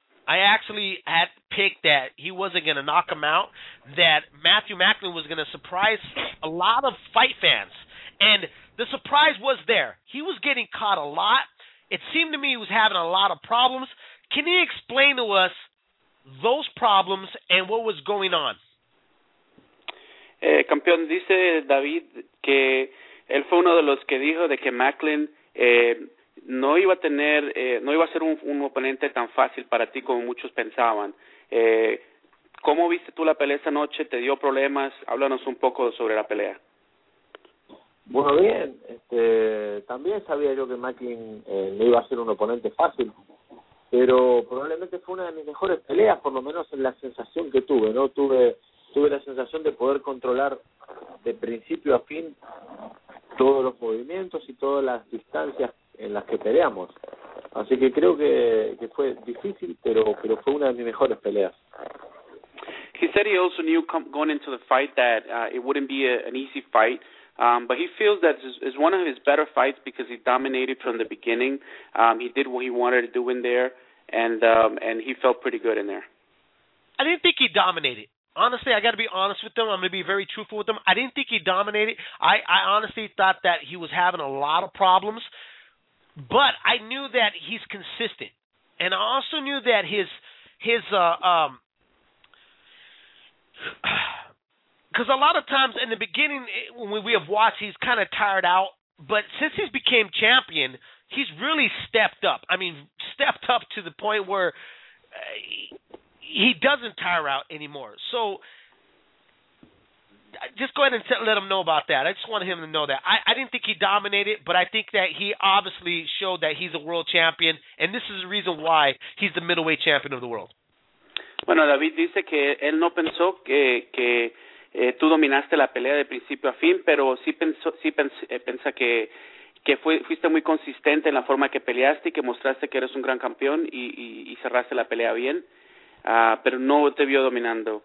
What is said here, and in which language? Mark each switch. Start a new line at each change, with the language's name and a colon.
English: I actually had picked that he wasn't going to knock him out, that Matthew Macklin was going to surprise a lot of fight fans. And the surprise was there. He was getting caught a lot. It seemed to me he was having a lot of problems. Can you explain to us those problems and what was going on?
Spanish: Campeón, dice David que él fue uno de los que dijo de que Macklin no iba a ser un oponente tan fácil para ti como muchos pensaban. ¿Cómo viste tú la pelea esa noche? ¿Te dio problemas? Háblanos un poco sobre la pelea. Bueno, bien. También sabía yo que Macklin no iba a ser un oponente fácil, pero probablemente fue una de mis mejores peleas, por lo menos en la sensación que tuve, ¿no? Tuve la sensación de poder controlar de principio a fin todos los movimientos y todas las distancias en las que peleamos. Así que creo que fue difícil, pero fue una de mis mejores peleas.
English: He said he also knew going into the fight that it wouldn't be an easy fight, but he feels that it's one of his better fights because he dominated from the beginning. He did what he wanted to do in there, and he felt pretty good in there. I didn't think he dominated. Honestly, I got to be honest with them. I'm going to be very truthful with them. I didn't think he dominated. I honestly thought that he was having a lot of problems. But I knew that he's consistent. And I also knew that because a lot of times in the beginning when we have watched, he's kind of tired out. But since he's became champion, he's really stepped up. I mean, stepped up to the point where he doesn't tire out anymore. So just go ahead and let him know about that. I just want him to know that. I didn't think he dominated, but I think that he obviously showed that he's a world champion, and this is the reason why he's the middleweight champion of the world.
Spanish: Bueno, David dice que él no pensó que tú dominaste la pelea de principio a fin, pero sí pensó que que fuiste muy consistente en la forma que peleaste y que mostraste que eres un gran campeón y cerraste la pelea bien, pero no te vio dominando.